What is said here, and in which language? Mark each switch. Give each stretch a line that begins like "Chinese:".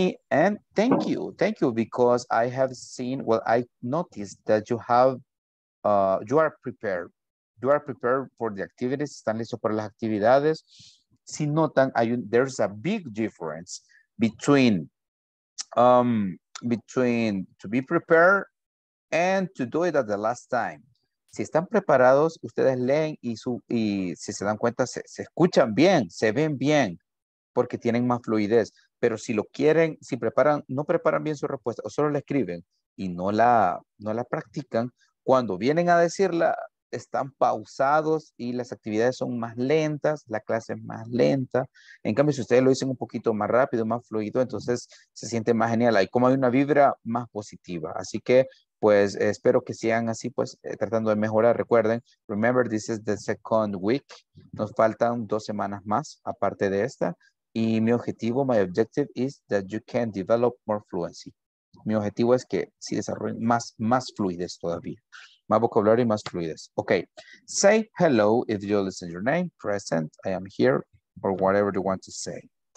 English: And thank you. Thank you because I have seen, well, I noticed that you have, you are prepared. You are prepared for the activities.
Spanish: Están listos para las actividades. Si notan,
English: there's a big difference between to be prepared and to do it at the last time.
Spanish: Si están preparados, ustedes leen y si se dan cuenta, se escuchan bien, se ven bien, porque tienen más fluidez. Pero si lo quieren, si preparan, no preparan bien su respuesta o solo la escriben, y no la practican, cuando vienen a decirla, están pausados y las actividades son más lentas, la clase es más lenta. En cambio, si ustedes lo dicen un poquito más rápido, más fluido, entonces se siente más genial. Hay como hay una vibra más positiva. Así que, pues, espero que sean así, pues, tratando de mejorar. Recuerden, remember, this is the second week. Nos faltan 2 semanas más, aparte de esta. Y mi objetivo,
English: my objective is that you can develop more fluency.
Spanish: Mi objetivo es que si desarrollen más fluidez todavía. Más vocabulario y más fluidez. Okay.
English: Say hello if you listen your name, present, I am here, or whatever you want to say.